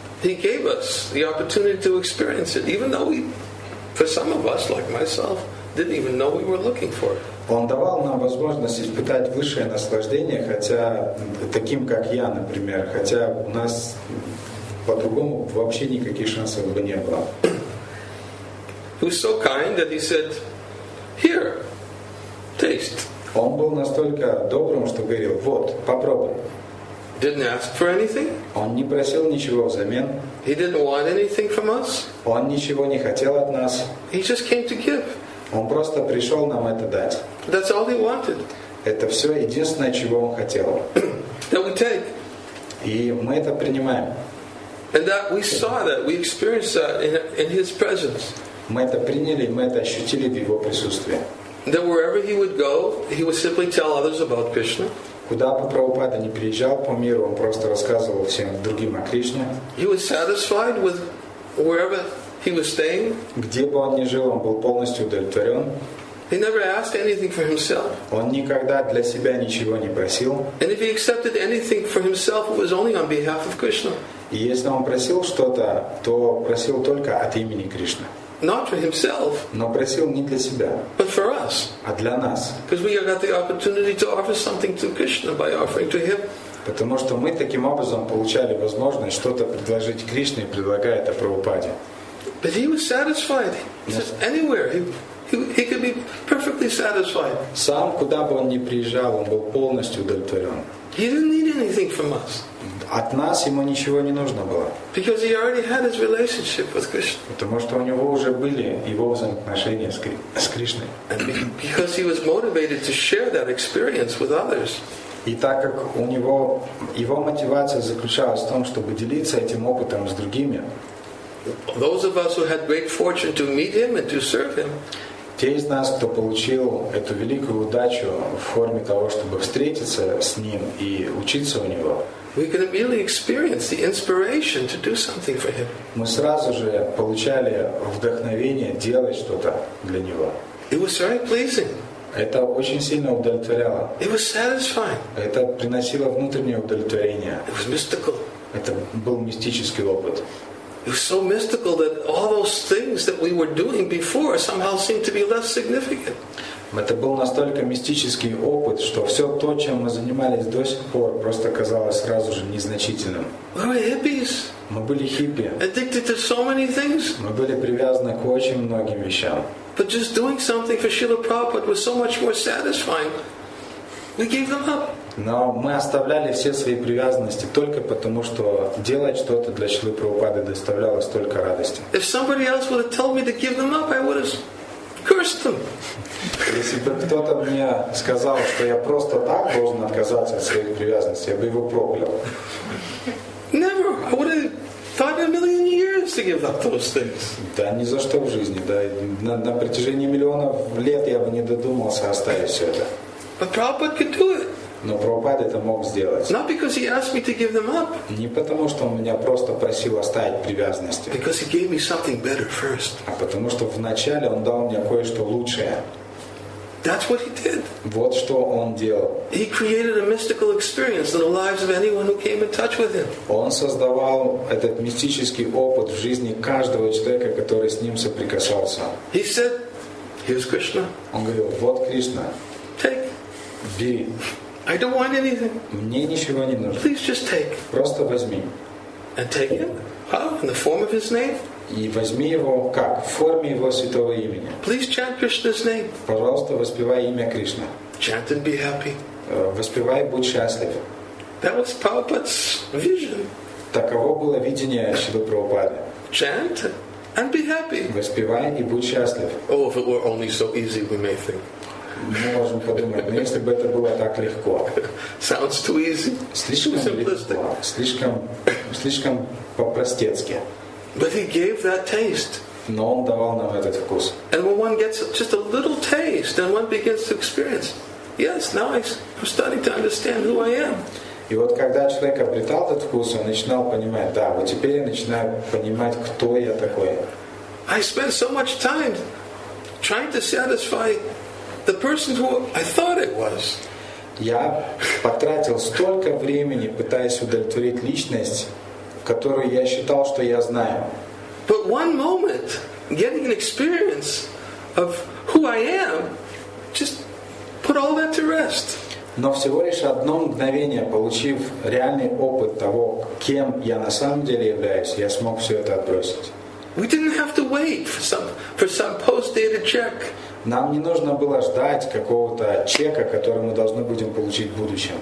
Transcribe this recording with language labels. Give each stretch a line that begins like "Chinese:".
English: He gave us the opportunity to experience it, even though we, for some of us, like myself, didn't even know we were looking for it.
Russian: Он давал нам возможность испытать высшее наслаждение, хотя таким, как я, например, хотя у нас по-другому вообще никаких шансов бы не было.
English: He was so kind that he said, "Here, taste."
Russian: Он был настолько добрым, что говорил: "Вот, попробуй."
English: Didn't ask for anything.
Russian: Он не просил ничего взамен.
English: He didn't want anything from us.
Russian: Он ничего не хотел от нас.
English: He just came to give.
Russian: Он просто пришел нам это дать.
English: That's all he wanted.
Russian: Это все единственное, чего он хотел.
English: That we take.
Russian: И мы это принимаем.
English: And that we saw that, we experienced that in his presence.
Russian: Мы это приняли, мы это ощутили в его присутствии.
English: that wherever he would go, he would simply tell others about Krishna.
Russian: Куда бы Прабхупада ни приезжал по миру, он просто рассказывал всем другим о Кришне.
English: He was satisfied with wherever he was staying.
Russian: Где бы он ни жил, он был полностью удовлетворен.
English: He never asked anything for himself.
Russian: Он никогда для себя ничего не просил.
English: And if he accepted anything for himself, it was only on behalf of Krishna.
Russian: И если он просил что-то, то просил только от имени Кришны.
English: Not for himself.
Russian: Но просил не для себя.
English: But for us.
Russian: А для нас.
English: Because we got the opportunity to offer something to Krishna by offering to him.
Russian: Потому что мы таким образом получали возможность что-то предложить Кришне, предлагая это Прабхупаде.
English: But he was satisfied. Yes. Anywhere. He could be perfectly satisfied.
Russian: Сам куда бы он ни приезжал, он был полностью удовлетворен.
English: He didn't need anything from us.
Russian: От нас ему ничего не нужно было.
English: Because he already had his relationship with Krishna.
Russian: Потому что у него уже были его взаимоотношения с Кришной.
English: And because he was motivated to share that experience with others.
Russian: И так как у него его мотивация заключалась в том, чтобы делиться этим опытом с другими.
English: Those of us who had great fortune to meet him and to serve him.
Russian: Те из нас, кто получил эту великую удачу в форме того, чтобы встретиться с ним и учиться у него.
English: We could immediately experience the inspiration to do something for him.
Russian: Мы сразу же получали вдохновение делать что-то для него.
English: It was very pleasing.
Russian: Это очень сильно удовлетворяло.
English: It was satisfying.
Russian: Это приносило внутреннее удовлетворение.
English: It was mystical.
Russian: Это был мистический опыт.
English: It was so mystical that all those things that we were doing before somehow seemed to be less significant.
Russian: Это был настолько мистический опыт, что все то, чем мы занимались до сих пор, просто казалось сразу же незначительным. Мы были хиппи.
English: Addicted to so many things.
Russian: Мы были привязаны к очень многим вещам.
English: But just doing something for Srila Prabhupada was so much more satisfying. We gave them up.
Russian: Но мы оставляли все свои привязанности только потому, что делать что-то для Шрилы Прабхупады доставляло столько радости.
English: If somebody else would have told me to give them up, I would have cursed them.
Russian: Если бы кто-то мне сказал, что я просто так должен отказаться от своих привязанностей, я бы его проклял.
English: Never. I would have thought a million years to give up those things.
Russian: Да ни за что в жизни. Да. На протяжении миллионов лет я бы не додумался оставить все это.
English: But Prabhupada could do it.
Russian: Но Прабхупада это мог сделать.
English: Not because he asked me to give them up.
Russian: Не потому, что он меня просто просил оставить привязанности.
English: Because he gave me something better first.
Russian: А потому, что вначале он дал мне кое-что лучшее.
English: That's what he did.
Russian: Вот что он делал.
English: He created a mystical experience in the lives of anyone who came in touch with him.
Russian: Он создавал этот мистический опыт в жизни каждого человека, который с ним соприкасался.
English: He said, "Here's Krishna."
Russian: Он говорил, вот Кришна.
English: Take.
Russian: Бери.
English: I don't want anything.
Russian: Мне ничего не нужно.
English: Please just take.
Russian: Просто возьми.
English: And take him. How? In the form of his name.
Russian: И возьми его как? В форме его святого имени.
English: Please chant Krishna's name.
Russian: Пожалуйста, воспевай имя Кришна.
English: Chant and be happy.
Russian: Воспевай, будь счастлив.
English: That was Prabhupada's vision.
Russian: Таково было видение Шрилы Прабхупады.
English: Chant and be happy.
Russian: Воспевай и будь счастлив.
English: Oh, if it were only so easy, we may think.
Russian: Мы можем подумать, но если бы это было так легко.
English: Sounds too easy.
Russian: Слишком simplistic. Слишком по-простецки.
English: But he gave that taste.
Russian: Но он давал нам этот вкус.
English: And when one gets just a little taste, then one begins to experience. Yes, now I'm starting to understand who I am.
Russian: И вот когда человек обретал этот вкус, он начинал понимать, да, вот теперь я начинаю понимать, кто я такой.
English: I spent so much time trying to satisfy the person who I thought it was.
Russian: Я потратил столько времени, пытаясь удовлетворить личность, которую я считал, что я знаю.
English: But one moment, getting an experience of who I am, just put all that to rest.
Russian: Но всего лишь одно мгновение, получив реальный опыт того, кем я на самом деле являюсь, я смог все это отбросить.
English: We didn't have to wait for some post-dated check.
Russian: Нам не нужно было ждать какого-то чека, который мы должны будем получить в будущем.